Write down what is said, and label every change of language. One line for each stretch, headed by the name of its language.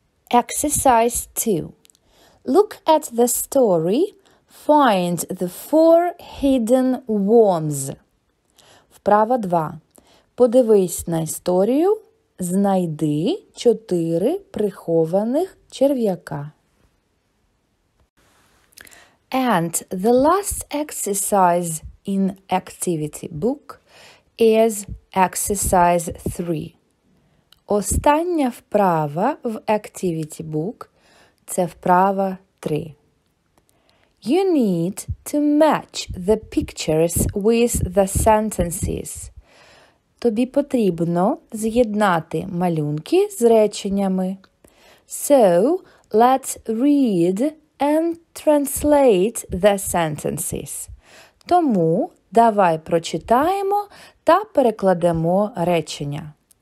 English: Exercise 2. Look at the story. Find the four hidden worms.
Ukrainian: Вправа 2. Подивись на історію. Знайди 4 прихованих черв'яка.
English: And the last exercise in activity book is exercise 3.
Ukrainian: Остання вправа в activity book – це вправа 3.
English: You need to match the pictures with the sentences.
Ukrainian: Тобі потрібно з'єднати малюнки з реченнями.
English: So, let's read and translate the sentences.
Ukrainian: Тому давай прочитаємо та перекладемо речення.